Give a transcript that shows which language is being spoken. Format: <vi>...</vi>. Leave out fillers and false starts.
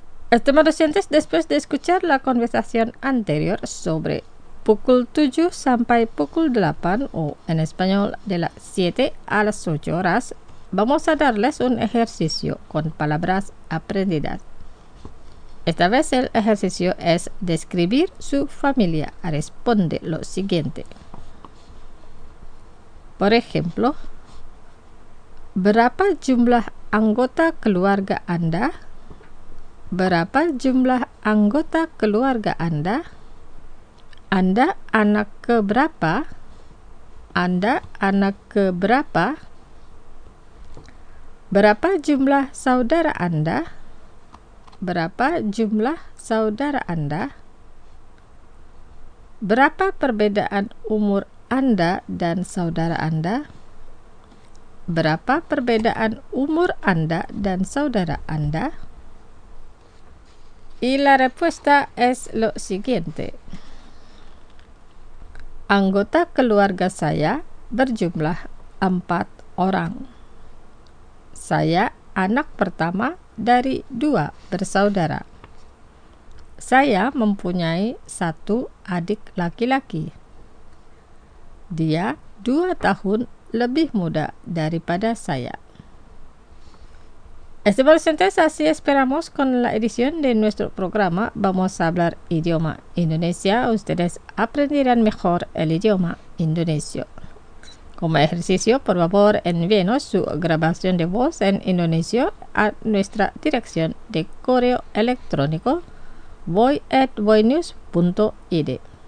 <es>Estimados oyentes, después de escuchar la conversación anterior sobre</es> <id>pukul 7 sampai pukul 8</id> <es>o en español de las 7 a las 8 horas, vamos a darles un ejercicio con palabras aprendidas. Esta vez el ejercicio es describir su familia. Responde lo siguiente. Por ejemplo,</es> <id>berapa jumlah anggota keluarga Anda? Berapa jumlah anggota keluarga Anda? Anda anak keberapa? Anda anak keberapa? Berapa jumlah saudara Anda? Berapa jumlah saudara Anda? Berapa perbedaan umur Anda dan saudara Anda? Berapa perbedaan umur Anda dan saudara Anda?</id> <es>Y la respuesta es lo siguiente.</es> <id>Anggota keluarga saya berjumlah 4 orang. Saya anak pertama dari 2 bersaudara. Saya mempunyai 1 adik laki-laki. Dia 2 tahun lebih muda daripada saya.</id> <es>Estimados oyentes, así esperamos con la edición de nuestro programa Vamos a hablar idioma Indonesia. Ustedes aprenderán mejor el idioma indonesio. Como ejercicio, por favor, envíenos su grabación de voz en indonesio a nuestra dirección de correo electrónico voy@voynews.id.</es>